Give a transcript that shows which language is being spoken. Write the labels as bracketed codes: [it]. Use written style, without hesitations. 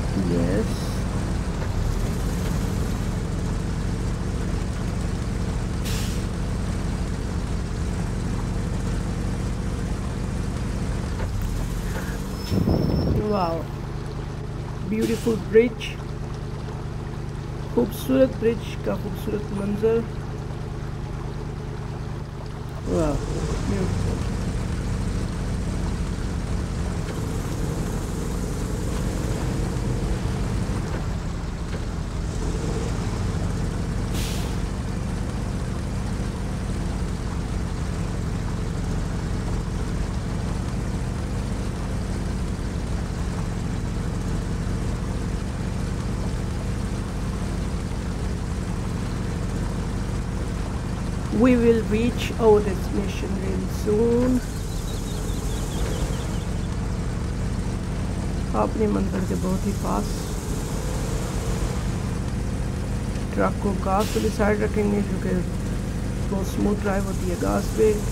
[en] yes wow, beautiful bridge, [hi] खूबसूरत bridge का खूबसूरत मंजर। [en] Wow We will reach our destination really soon. [hi] अपने मंदिर के बहुत ही पास ट्रक को घास पर साइड रखेंगे क्योंकि बहुत स्मूथ ड्राइव होती है घास पे।